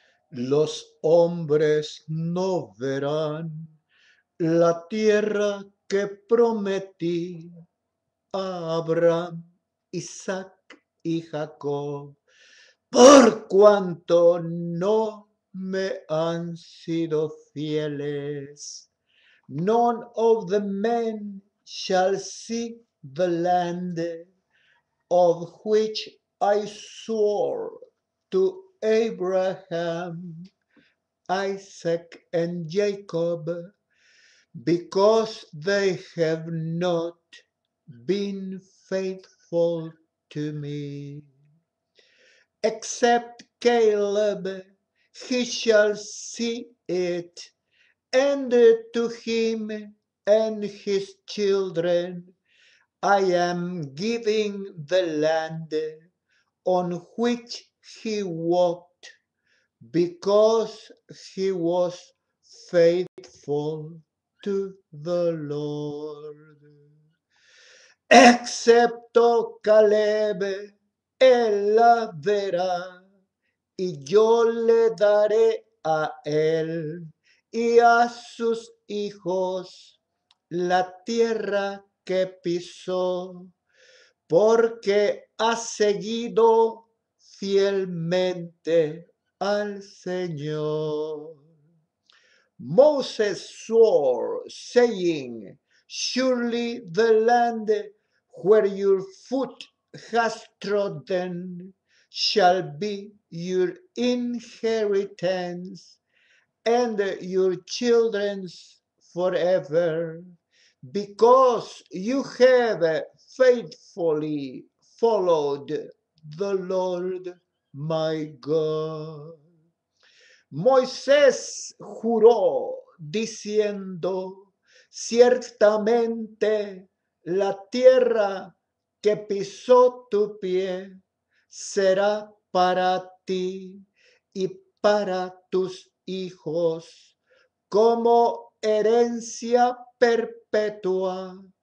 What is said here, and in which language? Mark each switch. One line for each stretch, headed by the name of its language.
Spanish: Los hombres no verán la tierra que prometí a Abraham, Isaac y Jacob, por cuanto no me han sido fieles.
English: None of the men shall see the land of which I swore to Abraham, Isaac and Jacob, because they have not been faithful to me. Except Caleb, he shall see it, and to him and his children I am giving the land on which he walked because he was faithful to the Lord.
Spanish: Excepto Caleb, él la verá, y yo le daré a él y a sus hijos la tierra que pisó, porque ha seguido fielmente al Señor.
English: Moses swore, saying, Surely the land where your foot has trodden shall be your inheritance and your children's forever, because you have faithfully followed the Lord my God.
Spanish: Moisés juró diciendo, ciertamente la tierra que pisó tu pie será para ti y para tus hijos como herencia perpetua,